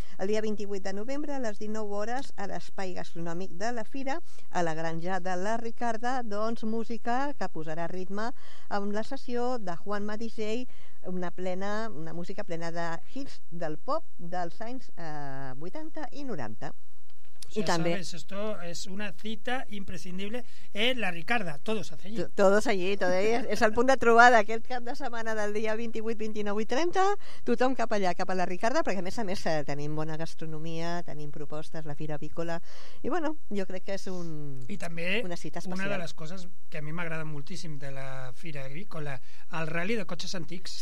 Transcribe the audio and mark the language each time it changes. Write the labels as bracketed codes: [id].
[ca] El dia 28 de novembre, a les 19 hores, a l'espai gastronòmic de la Fira, a la Granja de la Ricarda, doncs música que posarà ritme amb la sessió de Juan Madigey, una música plena de hits del pop dels anys 80 i 90. [es] Ya también. Sabes, esto es una cita imprescindible en la Ricarda, todos allí, [ca] es el punto de trobada aquel cap de semana del [es] día 28, 29 y 30, [ca] tothom cap allà, cap a la Ricarda, perquè a més tenim bona gastronomia, tenim propostes, la Fira Avícola, i bueno, jo crec que és una cita especial. Una de les coses que a mi m'agrada moltíssim de la Fira Avícola, el rally de cotxes antics.